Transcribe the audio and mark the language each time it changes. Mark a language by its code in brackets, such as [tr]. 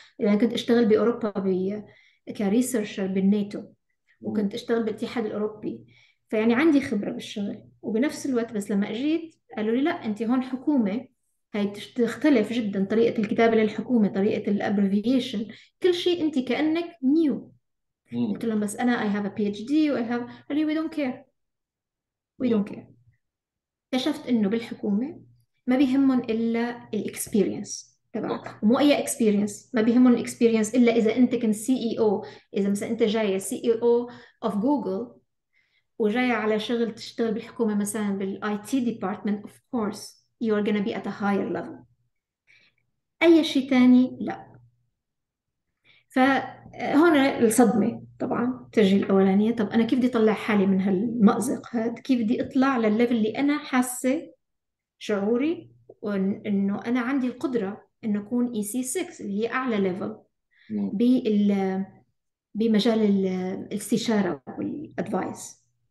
[ar] يعني كنت أشتغل بأوروبا كريسيرشر بالناتو، وكنت أشتغل بالاتحاد الأوروبي، فيعني عندي خبرة بالشغل. وبنفس الوقت بس لما أجيت قالوا لي لا، أنت هون حكومة، هاي تختلف جدا طريقة الكتابة للحكومة، طريقة الابريفيشن، كل شيء، انت كأنك نيو. قلت لهم بس انا [en] I have a PhD و I have، [ar] قال لي [en] we don't care we don't care. [ar] اكتشفت انه بالحكومة ما بيهمهم الا الاكسبيرينس تبعك، ومو اي اكسبيرينس، ما بيهمهم الاكسبيرينس الا اذا انت كنت CEO. اذا مثلا انت جاي CEO of Google وجاي على شغل تشتغل بالحكومة مثلا بالاي تي ديبارتمنت، [en] of course you are going to be at a higher level. [ar] أي شيء تاني لا. فهون الصدمة طبعا تجي الأولانية، طب أنا كيف بدي أطلع حالي من هالمأزق هاد؟ كيف بدي أطلع للليفل اللي أنا حاسة شعوري وإنه أنا عندي القدرة إنه أكون اي سي 6 اللي هي أعلى ليفل بمجال الاستشارة والأدفايس.